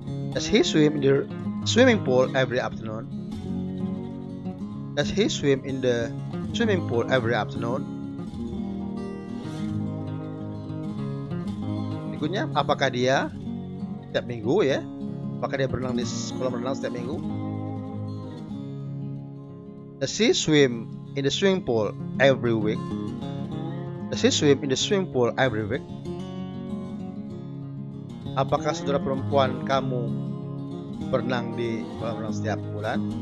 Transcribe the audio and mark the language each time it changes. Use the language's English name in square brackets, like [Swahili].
[English] Does he swim in the swimming pool every afternoon? Does he swim in the swimming pool every afternoon? [Indonesian] Berikutnya, apakah dia setiap minggu ya? Apakah dia berenang di kolam renang setiap minggu? [English] Does he swim in the swimming pool every week? Does he swim in the swimming pool every week? [Indonesian] Apakah saudara perempuan kamu berenang di kolam renang setiap bulan?